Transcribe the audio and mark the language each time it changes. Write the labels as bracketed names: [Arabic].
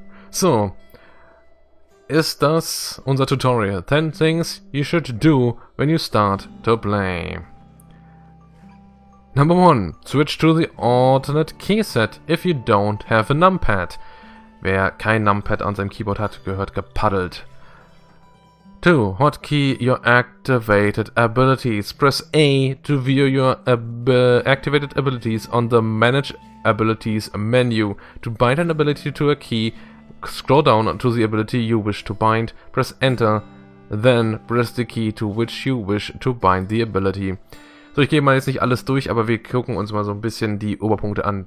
[German] So, is das unser Tutorial? [English] 10 things you should do when you start to play. Number 1. Switch to the alternate keyset if you don't have a numpad. [German] Wer kein Numpad an seinem Keyboard hat, gehört gepaddelt. [English] 2. Hotkey your activated abilities. Press A to view your activated abilities on the Manage Abilities menu. To bind an ability to a key, scroll down to the ability you wish to bind, press Enter, then press the key to which you wish to bind the ability. [German] So, ich gehe mal jetzt nicht alles durch, aber wir gucken uns mal so ein bisschen die Oberpunkte an.